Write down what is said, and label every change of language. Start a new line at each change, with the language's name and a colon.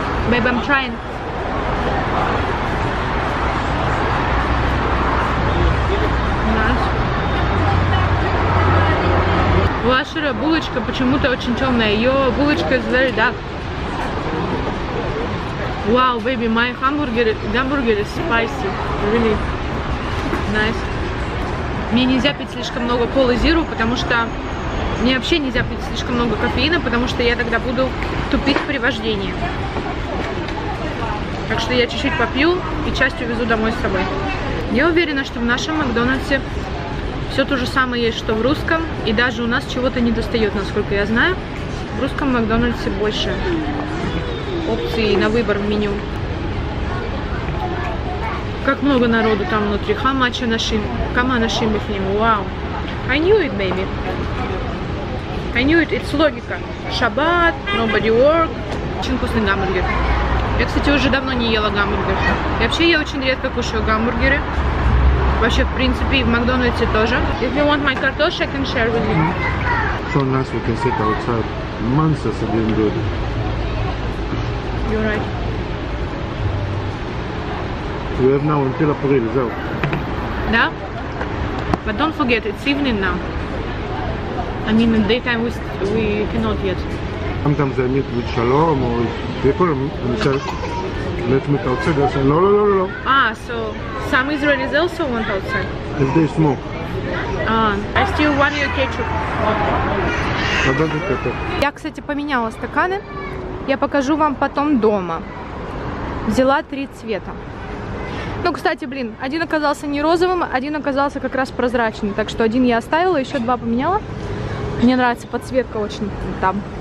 English: Baby, I'm trying.
Russian: У Ашера булочка почему-то очень темная. Ее булочка из льда.
English: Вау, baby, my hamburger is spicy. Really nice.
Russian: Мне нельзя пить слишком много колы зиру, потому что... Мне вообще нельзя пить слишком много кофеина, потому что я тогда буду тупить при вождении. Так что я чуть-чуть попью и часть увезу домой с собой. Я уверена, что в нашем Макдональдсе все то же самое есть, что в русском. И даже у нас чего-то не достает, насколько я знаю. В русском Макдональдсе больше опций на выбор в меню. Как много народу там внутри.
English: How much are they? Come on, they're with him. Wow. I knew it, baby. I knew it. It's логика. Шаббат, nobody work.
Russian: Очень вкусный гамбургер. Я, кстати, уже давно не ела гамбургер. И вообще, я очень редко кушаю гамбургеры. Вообще, в принципе, и в Макдональдсе тоже.
English: If you want my картошь, I can share with you. So nice, we can sit outside. Months has been good. You're right. We have now until April, is out.
Russian: Да?
English: But don't forget, it's evening now. I mean, in daytime we cannot yet. Sometimes I meet with Shalom or with people and say, let me outside. They say, no. Ah, so some Israelis also want outside. If they smoke. I still want your ketchup.
Russian: Надо кетчуп. Я, кстати, поменяла стаканы. Я покажу вам потом дома. Взяла три цвета. Ну, кстати, блин, один оказался не розовым, один оказался как раз прозрачным. Так что один я оставила, еще два поменяла. Мне нравится подсветка очень там.